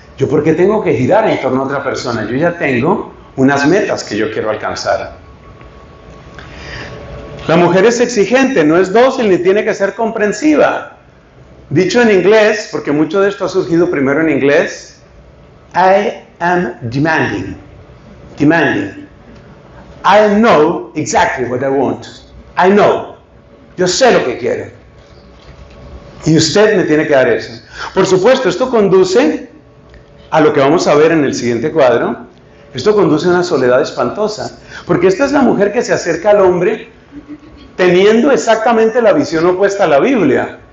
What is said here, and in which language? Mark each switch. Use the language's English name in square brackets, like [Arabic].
[Spanish] ¿Yo por qué tengo que girar en torno a otra persona? Yo ya tengo unas metas que yo quiero alcanzar. La mujer es exigente, no es dócil ni tiene que ser comprensiva. Dicho en inglés, porque mucho de esto ha surgido primero en inglés, I am demanding. Demanding. [English] I know exactly what I want. [Spanish] I know. Yo sé lo que quiero. Y usted me tiene que dar eso. Por supuesto, esto conduce a lo que vamos a ver en el siguiente cuadro. Esto conduce a una soledad espantosa. Porque esta es la mujer que se acerca al hombre teniendo exactamente la visión opuesta a la Biblia.